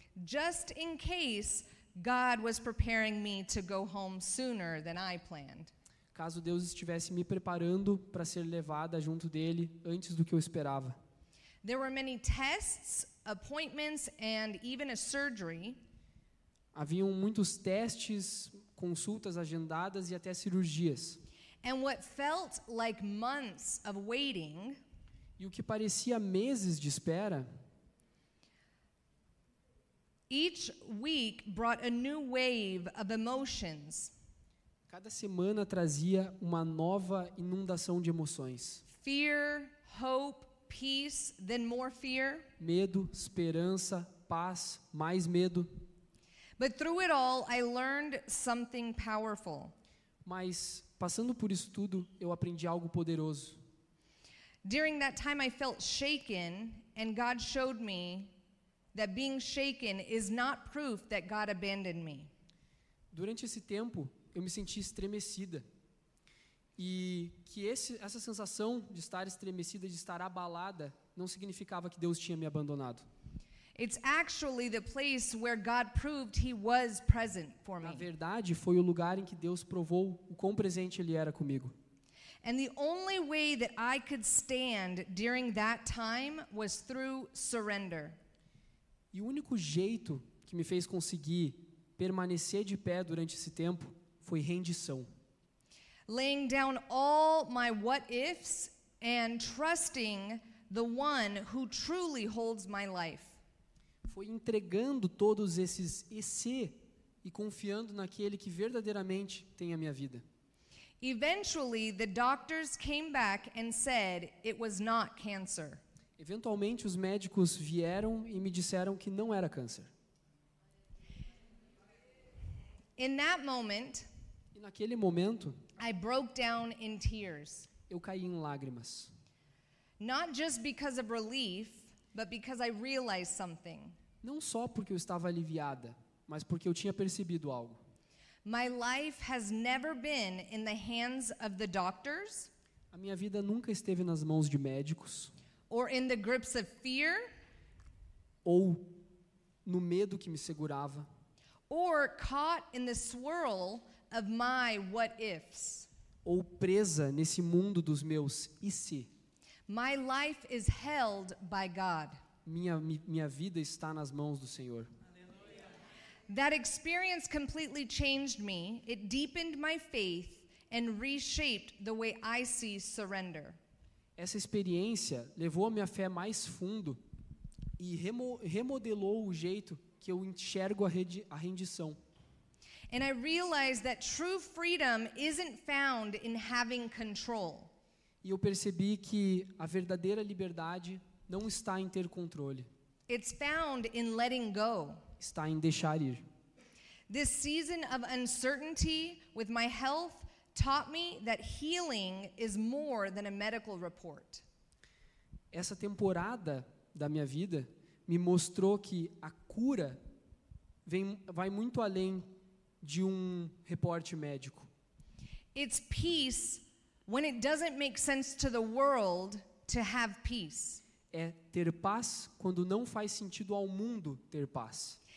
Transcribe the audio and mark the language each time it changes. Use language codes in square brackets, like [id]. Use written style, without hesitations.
[en] Just in case God was preparing me to go home sooner than I planned. [pt] Caso Deus estivesse me preparando para ser levada junto dele antes do que eu esperava. [en] There were many tests, appointments, and even a surgery. [pt] Haviam muitos testes, consultas agendadas e até cirurgias. [en] And what felt like months of waiting, [pt] e o que parecia meses de espera, [en] each week brought a new wave of emotions. [pt] Cada semana trazia uma nova inundação de emoções. [en] Fear, hope, peace, then more fear. [pt] Medo, esperança, paz, mais medo. [en] But through it all, I learned something powerful. [pt] Mas passando por isso tudo, eu aprendi algo poderoso. [en] During that time, I felt shaken, and God showed me that being shaken is not proof that God abandoned me. [pt] Durante esse tempo, eu me senti estremecida. E que essa sensação de estar estremecida, de estar abalada, não significava que Deus tinha me abandonado. [en] It's actually the place where God proved he was present for me. [pt] Na verdade, foi o lugar em que Deus provou o quão presente ele era comigo. [en] And the only way that I could stand during that time was through surrender. [pt] E o único jeito que me fez conseguir permanecer de pé durante esse tempo foi rendição. [en] Laying down all my what ifs and trusting the one who truly holds my life. [pt] Foi entregando todos esses esse e confiando naquele que verdadeiramente tem a minha vida. [en] Eventually, the doctors came back and said it was not cancer. [pt] Eventualmente, os médicos vieram e me disseram que não era câncer. [en] In that moment, [pt] e naquele momento, [en] I broke down in tears. [pt] Eu caí em lágrimas. [en] Not just because of relief, but because I realized something. [pt] Não só porque eu estava aliviada, mas porque eu tinha percebido algo. [en] My life has never been in the hands of the doctors. [pt] A minha vida nunca esteve nas mãos de médicos. [en] Or in the grips of fear. [pt] Ou no medo que me segurava. [en] Or caught in the swirl of my what ifs. [pt] Ou presa nesse mundo dos meus e se. [en] My life is held by God. [pt] Minha vida está nas mãos do Senhor. [en] That experience completely changed me. It deepened my faith and reshaped the way I see surrender. [pt] Essa experiência levou a minha fé mais fundo e remodelou o jeito que eu enxergo a rendição. [en] And I realized that true freedom isn't found in having control. [pt] E eu percebi que a verdadeira liberdade não está em ter controle. [en] It's found in letting go. [pt] Está em deixar ir. [en] This season of uncertainty with my health taught me that healing is more than a medical report. [pt] Essa temporada da minha vida me mostrou que a cura vai muito além de um reporte médico. [en] It's peace when it doesn't make sense to the world to have peace. [pt] É ter paz quando não faz sentido ao mundo ter paz.